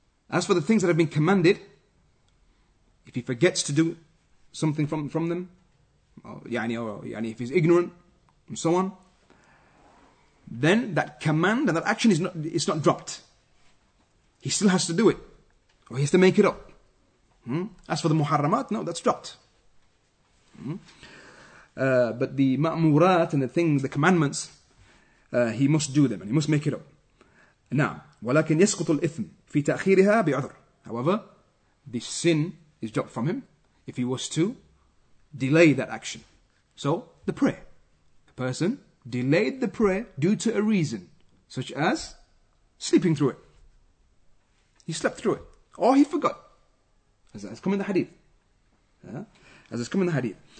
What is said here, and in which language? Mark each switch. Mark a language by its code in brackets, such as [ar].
[en] As for the things that have been commanded, if he forgets to do something from them, or if he's ignorant and so on, then that command and that action is not dropped. He still has to do it, or he has to make it up. As for the muharramat, no, that's dropped. But the ma'murat and the commandments, he must do them and he must make it up. [ar] Now, ولكن يسقط الإثم في تأخيرها بعذر. [en] However, the sin is dropped from him if he was to delay that action. So, the prayer. A person delayed the prayer due to a reason, such as sleeping through it. He slept through it. Or he forgot. As has come in the hadith. As has come in the hadith.